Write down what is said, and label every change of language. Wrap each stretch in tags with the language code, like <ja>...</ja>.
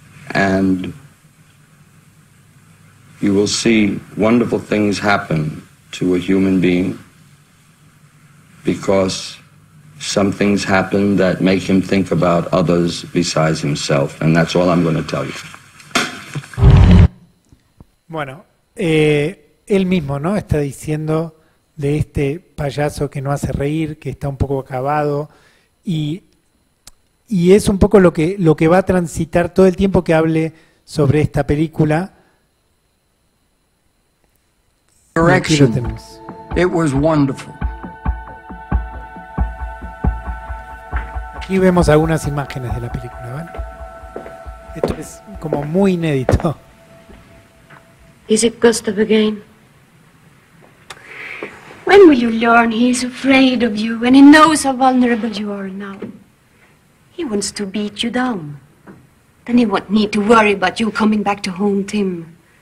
<en>And you will see wonderful things happen to a human being because some things happen that make him think about others besides himself. And that's all I'm going to tell you.</en> <es>Bueno, él mismo, ¿no?, está diciendo de este payaso que no hace reír, que está un poco acabado, y es un poco lo que va a transitar todo el tiempo que hable sobre esta película.</es> <en>Direction. It was wonderful.</en> <es>Aquí vemos algunas imágenes de la película, ¿vale? Esto es como muy inédito.</es> <en>Is it Gustav again? When will you learn he is afraid of you and he knows how vulnerable you are now? He wants to beat you down. Then he won't need to worry about you coming back to haunt him.</en>